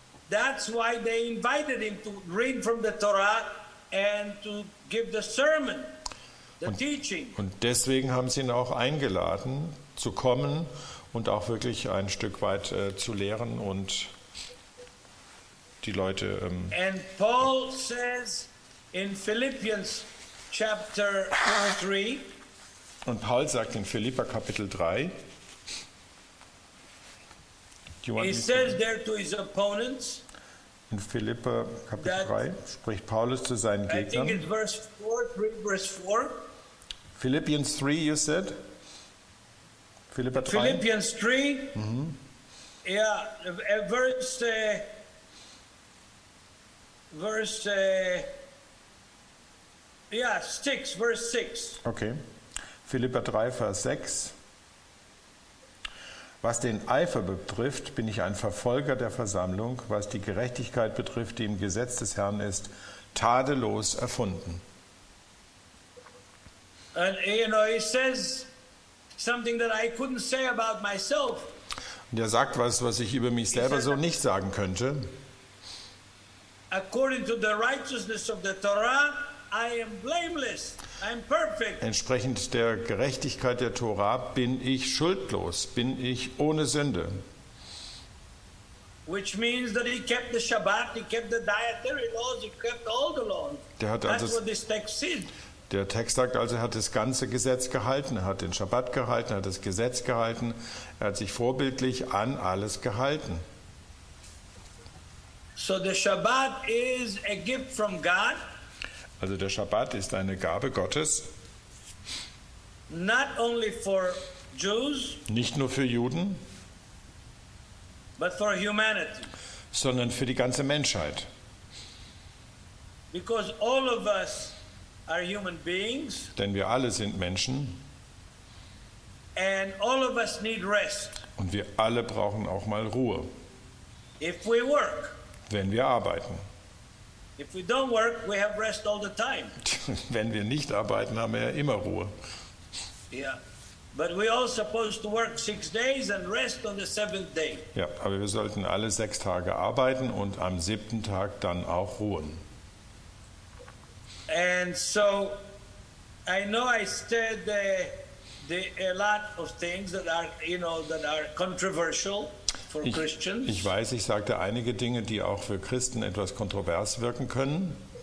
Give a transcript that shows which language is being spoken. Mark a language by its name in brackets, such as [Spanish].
[English] That's why they invited him to read from the Torah and to give the sermon, the teaching. [German] Und deswegen haben sie ihn auch eingeladen, zu kommen und auch wirklich ein Stück weit zu lehren und die Leute. [English] And Paul says in Philippians chapter 3. [German] Und Paul sagt in Philippa Kapitel 3. [English] He says there to his opponents. [German] In Philippa Kapitel 3 spricht Paulus zu seinen Gegnern. [English] Verse 4. Philippians 3, you said. Philippa 3. Philippians 3. Mm-hmm. Yeah, verse 6. [German] Okay. Philipper 3, Vers 6. Was den Eifer betrifft, bin ich ein Verfolger der Versammlung, was die Gerechtigkeit betrifft, die im Gesetz des Herrn ist, tadellos erfunden. [English] And, you know, he says something that I couldn't say about myself. [German] Und er sagt was, was ich über mich selber so nicht sagen könnte. [English] According to the righteousness of the Torah, I am blameless. I'm perfect. [German] Entsprechend der Gerechtigkeit der Tora bin ich schuldlos, bin ich ohne Sünde. [English] Which means that he kept the Shabbat, he kept the dietary laws, he kept all the laws. [German] Der hat also, [English] that's what this text said. [German] Der Text sagt also, er hat das ganze Gesetz gehalten, er hat den Shabbat gehalten, er hat das Gesetz gehalten, er hat sich vorbildlich an alles gehalten. [English] So the Shabbat is a gift from God. [German] Also der Schabbat ist eine Gabe Gottes. [English] Not only for Jews, [German] nicht nur für Juden, [English] but for humanity. [German] Sondern für die ganze Menschheit. [English] Because all of us are human beings, [German] denn wir alle sind Menschen. [English] And all of us need rest. [German] Und wir alle brauchen auch mal Ruhe. [English] If we work, [German] wenn wir arbeiten. [English] If we don't work, we have rest all the time. [German] Wenn wir nicht arbeiten, haben wir ja immer Ruhe. [English] Yeah. But we all supposed to work 6 days and rest on the 7th day. [German] Ja, aber wir sollten alle 6 Tage arbeiten und am 7. Tag dann auch ruhen. [English] And so I know I said a lot of things that are, you know, that are controversial. [German] Ich weiß, ich sagte einige Dinge, die auch für Christen etwas kontrovers wirken können.